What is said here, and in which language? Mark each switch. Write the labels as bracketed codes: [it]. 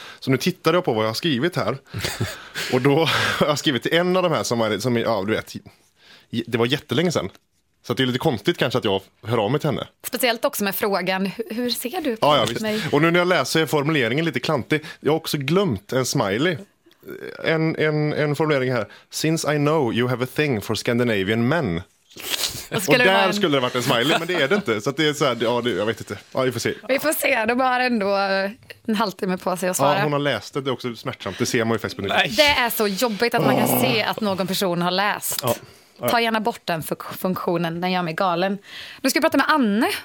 [sv] Så nu tittar jag på vad jag har skrivit här. Och då har jag skrivit till en av de här som ja, du vet, det var jättelänge sedan. Så det är lite konstigt kanske att jag hör av mig till henne. Speciellt också med frågan, hur ser du på mig? Ja, visst. Och nu när jag läser formuleringen lite klantig. Jag har också glömt en smiley. En formulering här. [en] Since I know you have a thing for Scandinavian men. [sv] Och där vara en... skulle det varit en smiley, men det är det inte. Så att det är så här, ja, det, jag vet inte. Ja, vi får se. Vi får se, de har ändå en halvtimme på sig att svara. Ja, hon har läst det, det är också smärtsamt. Det ser man ju faktiskt på nu. Det är så jobbigt att man kan se att någon person har läst. Ja. Ta gärna bort den funktionen, den gör mig galen. Nu ska jag prata med Anne.